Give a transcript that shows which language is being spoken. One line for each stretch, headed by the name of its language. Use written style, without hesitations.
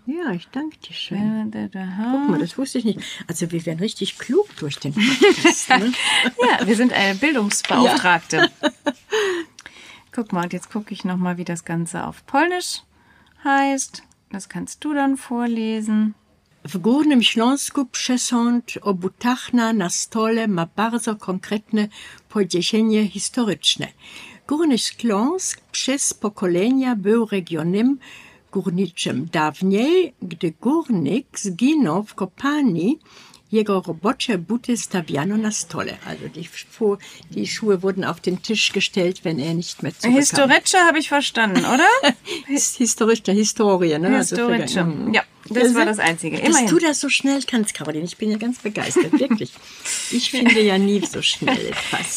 German: Ja, ich danke dir schön. Guck mal, das wusste ich nicht. Also wir werden richtig klug durch den Podcast. Ne? Ja, wir sind eine Bildungsbeauftragte. Ja. Guck mal, und jetzt gucke ich nochmal, wie das Ganze auf Polnisch heißt. Das kannst du dann vorlesen.
Polish: W górnym Śląsku przesąd obutachna na stole ma bardzo konkretne podziesienie historyczne. Górny Śląsk przez pokolenia był regionem górniczym. Dawniej, gdy górnik zginął w kopalni, jego robocze buty stawiano na stole.
German: Also die Schuhe wurden auf den Tisch gestellt, wenn er nicht mehr zurückkam. Historische habe ich verstanden, oder? Historische, Historie. Ne? Historische, also ja, das war das Einzige. Immerhin. Dass du das so schnell kannst, Caroline, ich bin ja ganz begeistert, wirklich. Ich finde ja nie so schnell etwas.